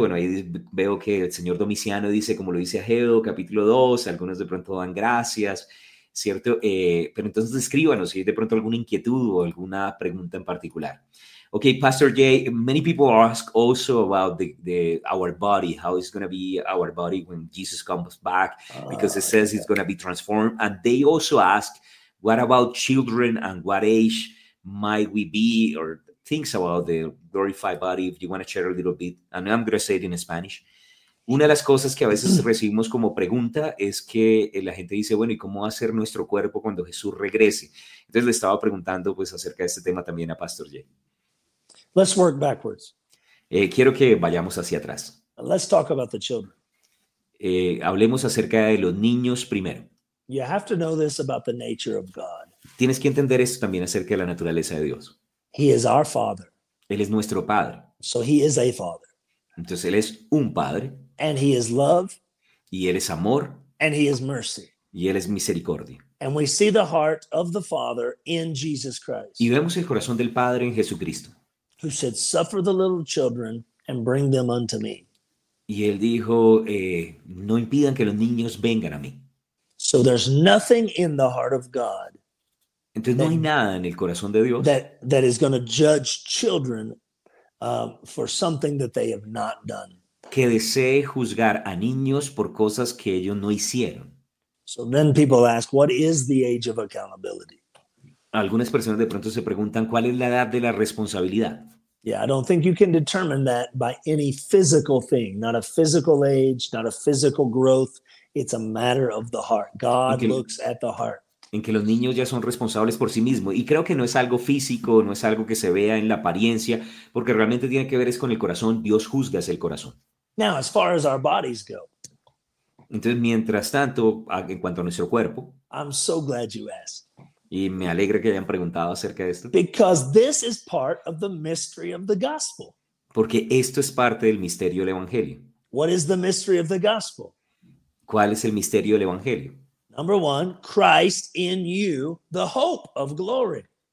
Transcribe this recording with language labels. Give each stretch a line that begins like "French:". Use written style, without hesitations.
Spanish: Bueno, ahí veo que el señor Domiciano dice, como lo dice Ageo, capítulo 2, algunos de pronto dan gracias, ¿cierto? Pero entonces escríbanos si hay de pronto alguna inquietud o alguna pregunta en particular.
English: Ok, Pastor Jay, many people ask also about our body, how it's going to be our body when Jesus comes back, because it says it's going to be transformed. And they also ask, what about children and what age might we be, or things about the glorified body, if you want to share a little bit. And I'm going to say it in Spanish.
Spanish: Una de las cosas que a veces recibimos como pregunta es que la gente dice, bueno, ¿y cómo va a ser nuestro cuerpo cuando Jesús regrese? Entonces le estaba preguntando pues acerca de este tema también a Pastor Jay.
English: Let's work backwards.
Spanish: Quiero que vayamos hacia atrás.
English: Let's talk about the children.
Spanish: Hablemos acerca de los niños primero.
English: You have to know this about the nature of God.
Spanish: Tienes que entender esto también acerca de la naturaleza de Dios.
English: He is our father.
Spanish: Él es nuestro padre.
English: So he is a father.
Spanish: Entonces él es un padre.
English: And he is love.
Spanish: Y él es amor.
English: And he is mercy.
Spanish: Y él es misericordia.
English: And we see the heart of the father in Jesus Christ.
Spanish: Y vemos el corazón del padre en Jesucristo.
English: Who said, "Suffer the little children and bring them unto me."
Spanish: Y él dijo, no impidan que los niños vengan a mí.
English: So there's nothing in the heart of God.
Spanish: Entonces no hay nada en el corazón de Dios.
English: That is going to judge children for something that they have not done.
Spanish: Que desee juzgar a niños por cosas que ellos no hicieron.
English: So then people ask, what is the age of accountability?
Spanish: Algunas personas de pronto se preguntan, ¿cuál es la edad de la responsabilidad?
English: Yeah, I don't think you can determine that by any physical thing. Not a physical age, not a physical growth. It's a matter of the heart. God looks at the heart.
Spanish: En que los niños ya son responsables por sí mismos. Y creo que no es algo físico, no es algo que se vea en la apariencia, porque realmente tiene que ver es con el corazón. Dios juzga el corazón.
English: Now, as far as our bodies go.
Spanish: Entonces, mientras tanto, en cuanto a nuestro cuerpo.
English: I'm so glad you asked.
Spanish: Y me alegra que hayan preguntado acerca de esto.
English: Because this is part of the mystery of the gospel.
Spanish: Porque esto es parte del misterio del evangelio.
English: What is the mystery of the gospel?
Spanish: ¿Cuál es el misterio del evangelio?
English: Number one, Christ in you, the hope of glory.